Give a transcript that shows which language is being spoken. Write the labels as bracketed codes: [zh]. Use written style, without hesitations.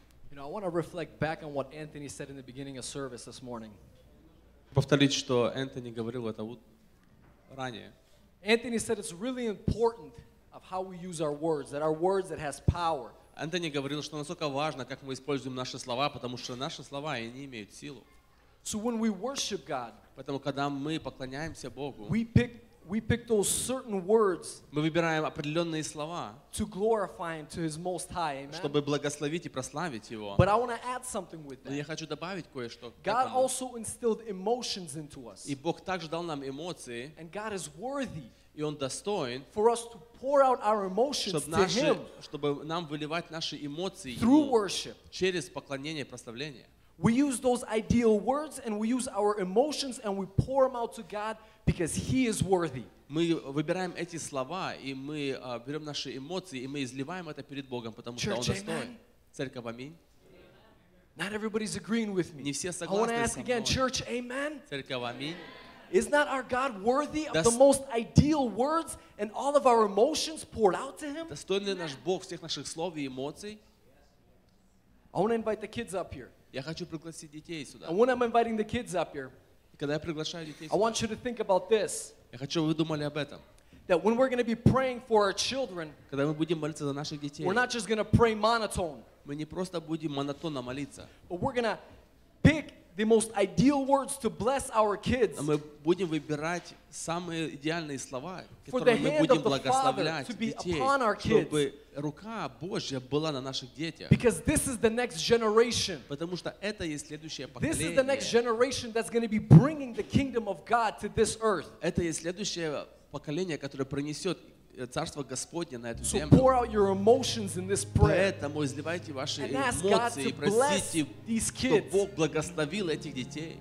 [en] You know, I want to reflect back on what Anthony said in the beginning of service this morning. [ru] Повторить, что Энтони говорил это вот ранее. [en] Anthony said it's really important of how we use our words that has power. [ru] Антони говорил, что настолько важно, как мы используем наши слова, потому что наши слова, они имеют силу. [en] So when we worship God, [ru] поэтому когда мы поклоняемся Богу, [en] we pick those certain words, [ru] мы выбираем определенные слова, [en] to glorify Him to His Most High, amen? [ru] Чтобы благословить и прославить Его. [en] But I want to add something with that. [ru] Но я хочу добавить кое-что. [en] God also instilled emotions into us. [ru] И Бог также дал нам эмоции. [en] And God is worthy. [ru] И Он достоин, [en] for us to pour out our emotions [ru] чтобы наши, [en] to Him, [ru] чтобы нам выливать наши эмоции [en] through worship, [ru] через поклонение и прославление. [en] We use those ideal words and we use our emotions and we pour them out to God because He is worthy. [ru] Мы выбираем эти слова и мы берем наши эмоции и мы изливаем это перед Богом, потому что Он достоин. Церковь, аминь. [en] Not everybody's agreeing with me. [ru] Не все согласны со мной. [en] I want to ask again, church, amen. [ru] Церковь, аминь. [en] Is not our God worthy of the most ideal words and all of our emotions poured out to Him? [ru] Достоин ли наш Бог всех наших слов и эмоций? [en] I want to invite the kids up here. [ru] Я хочу пригласить детей сюда. [en] And when I'm inviting the kids up here, [ru] когда я приглашаю детей сюда, [en] I want you to think about this. [ru] Я хочу, чтобы вы думали об этом. [en] That when we're going to be praying for our children, [ru] когда мы будем молиться за наших детей, [en] we're not just going to pray monotone. [ru] Мы не просто будем монотонно молиться. [en] But we're going to pick the most ideal words to bless our kids. [ru] Мы будем выбирать самые идеальные слова, которыми мы будем благословлять детей, чтобы рука Божья была на наших детях. [en] Because this is the next generation. [ru] Потому что это есть следующее поколение. [en] This is the next generation that's going to be bringing the kingdom of God to this earth. [ru] Это есть следующее поколение, которое принесет Царство Господне на эту [en] землю. So pour out your emotions in this prayer. [ru] Поэтому изливайте ваши эмоции и просите, чтобы Бог благословил этих детей.